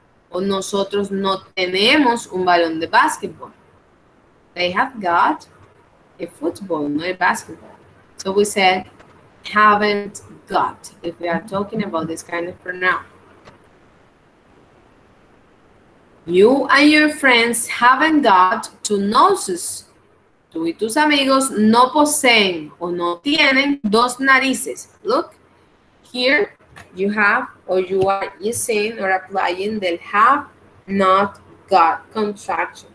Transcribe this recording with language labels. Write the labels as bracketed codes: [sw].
[es] O nosotros no tenemos un balón de básquetbol. [en] They have got a football, not a basketball. So we said, haven't got, if we are talking about this kind of pronoun. You and your friends haven't got two noses. [es] Tú y tus amigos no poseen o no tienen dos narices. [en] Look, here you have or you are using or applying the have not got contraction.